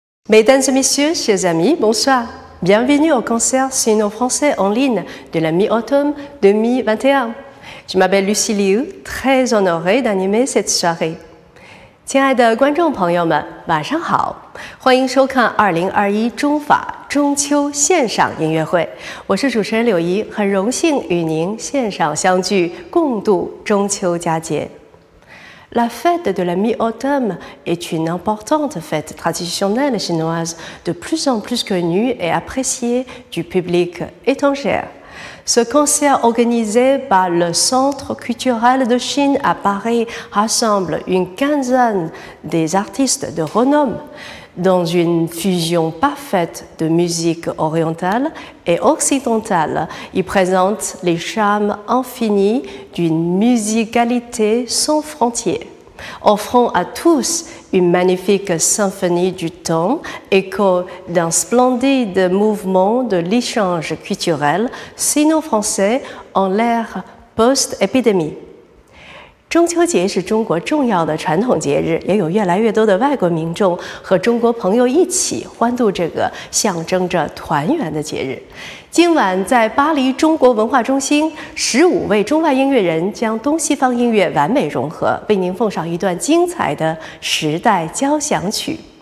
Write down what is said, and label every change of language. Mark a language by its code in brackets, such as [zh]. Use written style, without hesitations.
[fr] Mesdames et messieurs, chers amis, bonsoir. Bienvenue au concert sino-français en ligne de la mi-automne 2021. Je m'appelle Lucie Liu, très honorée d'animer cette soirée. [zh] 亲爱的观众朋友们，晚上好，欢迎收看2021中法中秋线上音乐会。我是主持人柳怡，很荣幸与您线上相聚，共度中秋佳节。 [fr] La fête de la mi-automne est une importante fête traditionnelle chinoise, de plus en plus connue et appréciée du public étranger. Ce concert organisé par le Centre culturel de Chine à Paris rassemble une quinzaine des artistes de renom dans une fusion parfaite de musique orientale et occidentale. Il présente les charmes infinis d'une musicalité sans frontières, offrant à tous une magnifique symphonie du temps, écho d'un splendide mouvement de l'échange culturel sino-français en l'ère post-épidémie. [zh] 中秋节是中国重要的传统节日，也有越来越多的外国民众和中国朋友一起欢度这个象征着团圆的节日。今晚在巴黎中国文化中心，15位中外音乐人将东西方音乐完美融合，为您奉上一段精彩的时代交响曲。